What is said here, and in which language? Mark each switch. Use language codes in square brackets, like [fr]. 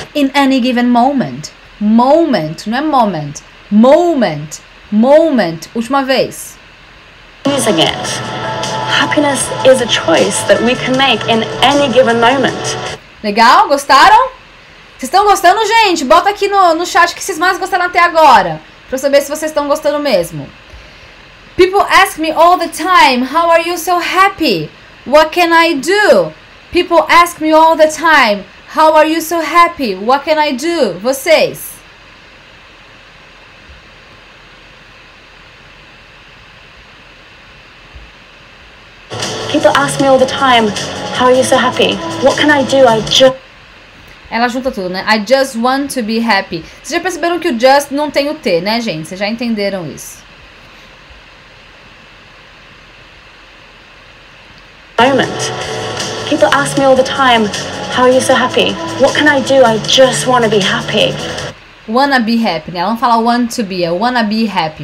[en] In any given moment. Moment. [pt] Não é [en] moment. Moment. Moment. [pt] Última vez. [en] Using it. Happiness is a choice that we can make in any given moment. [pt] Legal? Gostaram? Vocês estão gostando, gente? Bota aqui no chat o que vocês mais gostaram até agora. Pra saber se vocês estão gostando mesmo. [en] People ask me all the time, how are you so happy? What can I do? People ask me all the time, how are you so happy? What can I do? Vocês. People ask me all the time, how are you so happy? What can I do? [pt] Ela junta tudo, né? [en] I just want to be happy. [pt] Vocês já perceberam que o just não tem o T, né, gente? Vocês já entenderam isso. [en] Moment. People ask me all the time, how are you so happy? What can I do? I just want to be happy. Wanna be happy, né? [pt] Ela não fala [en] want to be, é wanna be happy.